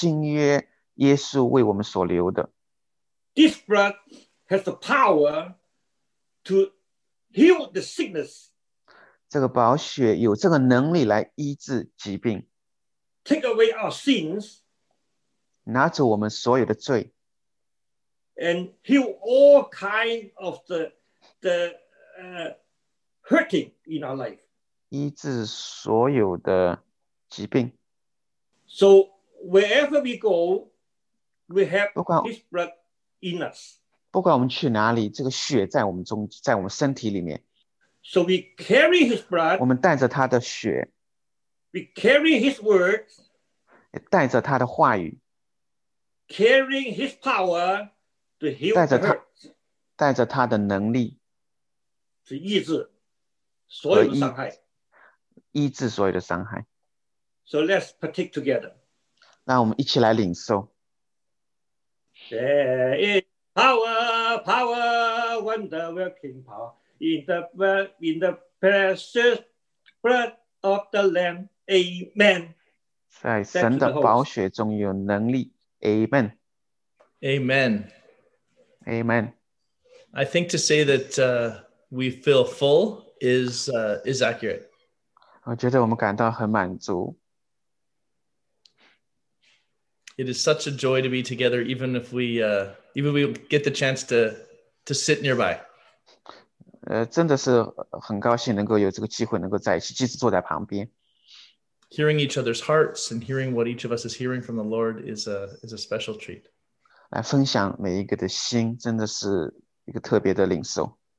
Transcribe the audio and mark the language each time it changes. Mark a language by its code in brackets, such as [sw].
[zh] 这个血是新约耶稣为我们所流的。 [en] This blood has the power to heal the sickness. [zh] 这个宝血有这个能力来医治疾病。 [en] Take away our sins. [zh] 拿走我们所有的罪。 [en] And heal all kinds of the hurting in our life. [zh] 医治所有的疾病。 [en] So wherever we go, we have this blood in us. [zh] 不管我们去哪里, 这个血在我们中, 在我们身体里面, [en] so we carry his blood. [zh] 我们带着他的血, [en] we carry his words. [zh] 带着他的话语, [en] carrying his power to heal. [zh] 带着他, [en] hurts, [zh] 带着他的能力, 去医治所有的伤害。 [en] So let's partake together. [zh] 让我们一起来领受。 [en] There is power, power, wonder working power in the precious blood of the Lamb. Amen. [zh] 在神的宝血中有能力。Amen. [en] Amen. Amen. I think to say that we feel full is accurate. [zh] 我觉得我们感到很满足。 [en] It is such a joy to be together, even if we get the chance to sit nearby. [zh] 真的是很高兴能够有这个机会能够在一起，即使坐在旁边。 [en] Hearing each other's hearts and hearing what each of us is hearing from the Lord is a special treat. [zh] 来分享每一个的心，真的是一个特别的领受。